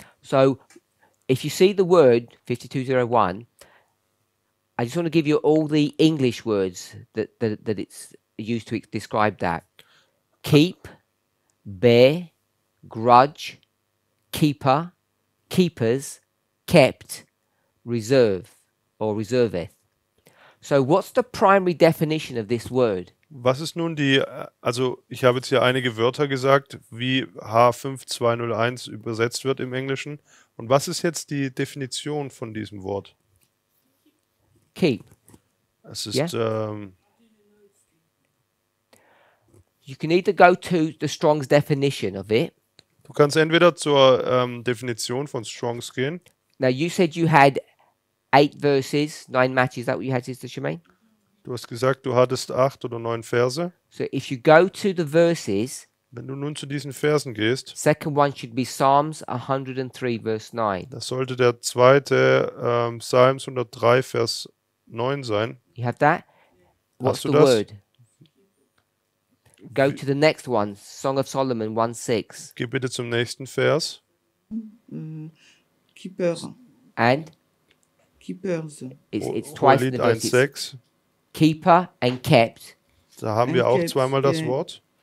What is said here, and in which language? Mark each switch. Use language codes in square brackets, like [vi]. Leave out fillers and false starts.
[en] So if you see the word 5201, I just want to give you all the English words that it's used to describe that. Keep, bear, grudge, keeper. Keepers, kept, reserve or reserveth. So what's the primary definition of this word? [de] Was ist nun die, also ich habe jetzt hier einige Wörter gesagt, wie H5201 übersetzt wird im Englischen. Und was ist jetzt die Definition von diesem Wort? [en] Keep. [de] Es ist, yeah? [en] You can either go to the Strong's definition of it. [de] Du kannst entweder zur Definition von Strong's gehen. [en] Now you said you had 8 verses, 9 matches, is that what you had, Sister Shemaine? [de] Du hast gesagt, du hattest 8 oder 9 Verse. [en] So if you go to the verses, [de] wenn du nun zu diesen Versen gehst, [en] second one should be Psalms 103, verse 9. [de] Das sollte der zweite Psalms 103, Vers 9 sein. [en] You have that? What's the word? Go to the next one, Song of Solomon 1:6. [de] Geh bitte zum nächsten Vers. [en] Keepers. And? Keepers. It's twice in the verse. 1:6. Keeper and kept. [de] Da haben wir auch zweimal das Wort.